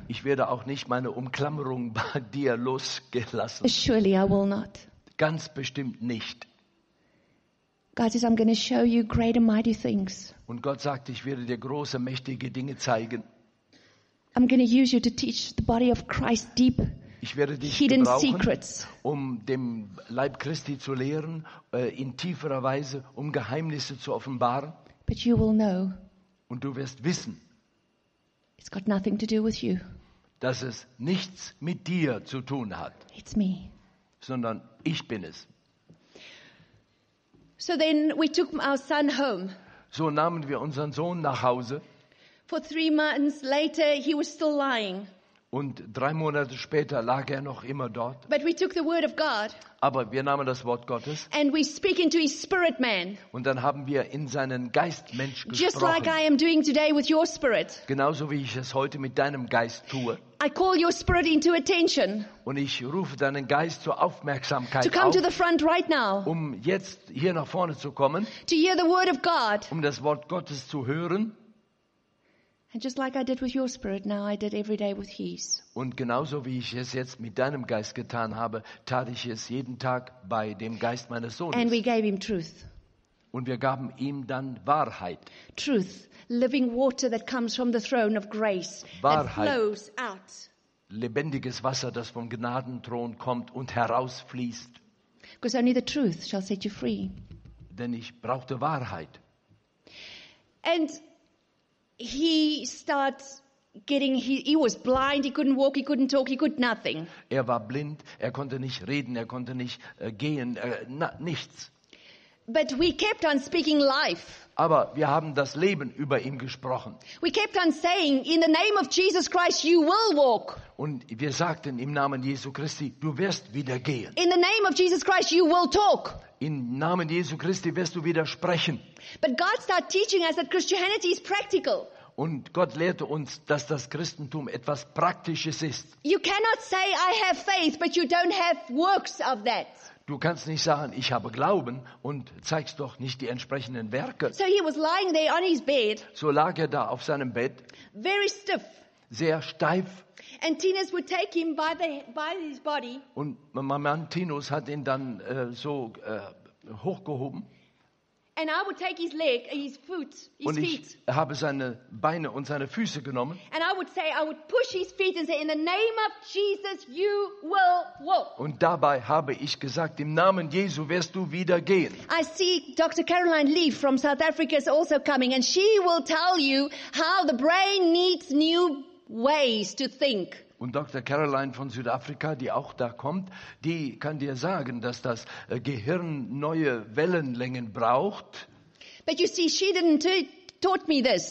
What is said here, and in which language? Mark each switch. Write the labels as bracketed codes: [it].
[de] Ich werde auch nicht meine Umklammerung bei dir losgelassen. [en] Surely I will not. [de] Ganz bestimmt nicht. [en] God says, I'm going to show you great and mighty things. [de] Und Gott sagt, ich werde dir große mächtige Dinge zeigen. [en] I'm going to use you to teach the body of Christ deep. [de] Ich werde dich [en] hidden [de] gebrauchen, [en] secrets. [de] Um dem Leib Christi zu lehren, in tieferer Weise, um Geheimnisse zu offenbaren. [en] But you will know, [de] und du wirst wissen, [en] it's got nothing to do with you. [de] Dass es nichts mit dir zu tun hat. [en] It's me. [de] Sondern ich bin es. [en] So, then we took our son home. [de] So nahmen wir unseren Sohn nach Hause. [en] For 3 months later, he was still lying. [de] Und 3 Monate später lag er noch immer dort. [en] But we took the word of God. [de] Aber wir nahmen das Wort Gottes. [en] And we speak into his spirit man. [de] Und dann haben wir in seinen Geistmensch gesprochen. [en] Just like I am doing today with your spirit. [de] Genauso wie ich es heute mit deinem Geist tue. [en] I call your spirit into attention. [de] Und ich rufe deinen Geist zur Aufmerksamkeit [en] to come [de] auf, [en] to the front right now. [de] Um jetzt hier nach vorne zu kommen. [en] To hear the word of God. [de] Um das Wort Gottes zu hören. [en] And just like I did with your spirit, now I did every day with his. [de] Und genauso wie ich es jetzt mit deinem Geist getan habe, tat ich es jeden Tag bei dem Geist meines Sohnes. [en] And we gave him truth. [de] Und wir gaben ihm dann Wahrheit. [en] Truth, living water that comes from the throne of grace [de] Wahrheit. [en] That flows out. [de] Lebendiges Wasser, das vom Gnadenthron kommt und herausfließt. [en] Because only the truth shall set you free. [de] Denn ich brauchte Wahrheit. [en] And he starts getting he was blind, he couldn't walk, he couldn't talk, he could nothing. [de] Er war blind, er konnte nicht reden, er konnte nicht gehen, nichts. [en] But we kept on speaking life. [de] Aber wir haben das Leben über ihm gesprochen. [en] We kept on saying, in the name of Jesus Christ, you will walk. [de] Und wir sagten im Namen Jesu Christi, du wirst wieder gehen. [en] In the name of Jesus Christ, you will talk. [de] Im Namen Jesu Christi wirst du wieder sprechen. [en] But God started teaching us that Christianity is practical. [de] Und Gott lehrte uns, dass das Christentum etwas Praktisches ist. [en] You cannot say, I have faith, but you don't have works of that. [de] Du kannst nicht sagen, ich habe Glauben und zeigst doch nicht die entsprechenden Werke. [en] So, he was lying there on his bed, [de] so lag er da auf seinem Bett. [en] Very stiff. [de] Sehr steif. [en] And Tinus would take him by the, by his body. [de] Und mein Mann Tinus hat ihn dann so hochgehoben. [en] And I would take his leg, his foot, his feet. [de] Und ich habe seine Beine und seine Füße genommen. [en] And I would say, I would push his feet and say, in the name of Jesus, you will walk. [de] Und dabei habe ich gesagt, im Namen Jesu wirst du wieder gehen. [en] I see Dr. Caroline Leaf from South Africa is also coming, and she will tell you how the brain needs new ways to think. [de] Und Dr. Caroline von Südafrika, die auch da kommt, die kann dir sagen, dass das Gehirn neue Wellenlängen braucht. [en] But you see, she didn't taught me this.